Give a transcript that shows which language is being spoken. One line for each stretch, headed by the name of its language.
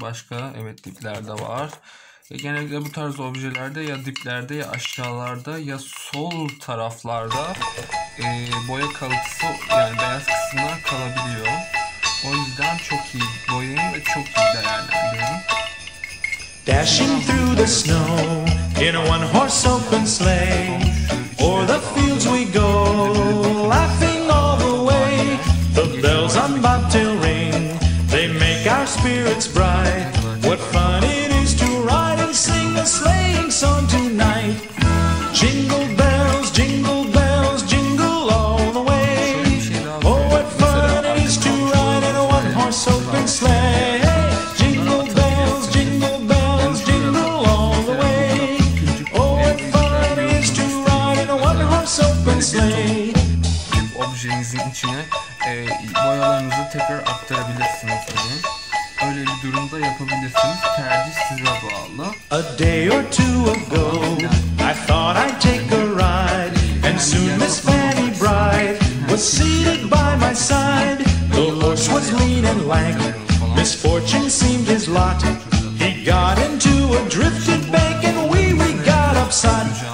Turkish: Başka, evet, dipler de var. Genellikle bu tarz objelerde ya diplerde ya aşağılarda ya sol taraflarda boya kalıntısı, yani beyaz kısımlar kalabiliyor. O yüzden çok iyi boyayı ve çok iyi değerlendiriyorum.
English: Dashing through the snow in a one horse open sleigh. O'er the fields we go, laughing all the way. The bells on bobtail ring, they make our spirits bright. What fun it is to ride and sing a sleighing song tonight. Jingle bells, jingle bells, jingle all the way. Oh, what fun it is to ride in a one-horse open sleigh. Jingle bells, jingle bells, jingle all the way. Oh, what fun it is to ride in a one-horse open sleigh.
Turkish: Objenizin içine boyalarınızı tekrar aktarabilirsiniz tabii. Öyle bir durumda yapabilirsiniz. Tercih size bağlı.
English: A day or two ago, I thought I'd take a ride, and soon Miss Fanny Bright was seated by my side. The horse was lean and lank, misfortune seemed his lot. He got into a drifted bank, and we got upside.